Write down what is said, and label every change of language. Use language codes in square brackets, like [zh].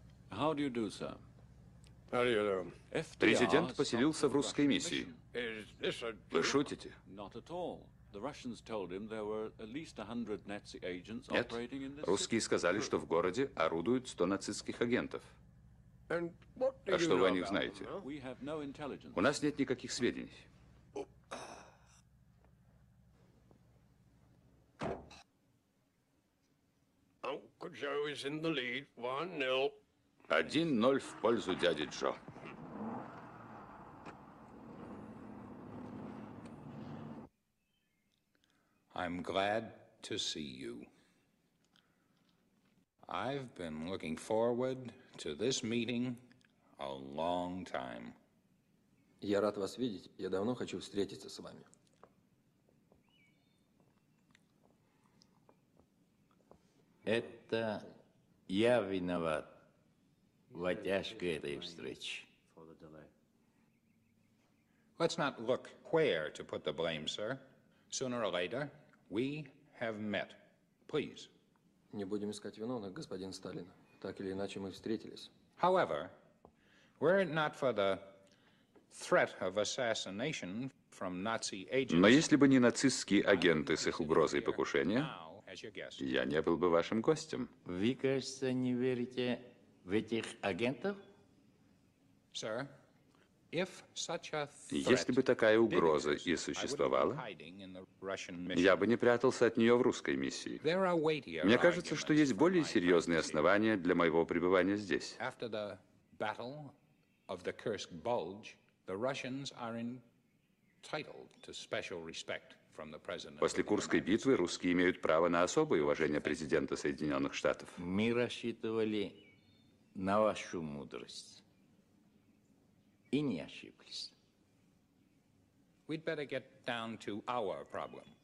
[en] How do you do, sir? How do you do? [ru] Президент поселился в русской миссии. Вы шутите? [en] Not at all. The Russians told him there were at least 100 Nazi agents operating in this. [ru] Нет. Русские сказали, что в городе орудуют 100 нацистских агентов. [en] And what do you know? [ru] А что вы о них знаете? [en] We have no intelligence. [ru] У нас нет никаких сведений. [en] Uncle Joe is in the lead, 1-0. [ru] 1-0 в пользу дяди Джо. [en] I'm glad to see you. I've been looking forward to this meeting a long time. [ru] Я рад вас видеть. Я давно хочу встретиться с вами. Это я виноват в оттяжке этой встречи. [en] Let's not look where to put the blame, sir. Sooner or later, we have met. Please. [ru] Не будем искать виновных, господин Сталин. Так или иначе, мы встретились. [en] However, were it not for the threat of assassination from Nazi agents... [ru] Но если бы не нацистские агенты с их угрозой покушения, я не был бы вашим гостем. Вы, кажется, не верите в этих агентов? [en] Sir, if such a [ru] threat, если бы такая угроза и существовала, я бы не прятался от нее в русской миссии. Мне кажется, что есть более серьезные основания для моего пребывания здесь. [en] After the battle of the Kursk Bulge, the Russians are entitled to special respect. [ru] После Курской битвы русские имеют право на особое уважение президента Соединенных Штатов. Мы рассчитывали на вашу мудрость и не ошиблись. [en] We'd better get down to our problem.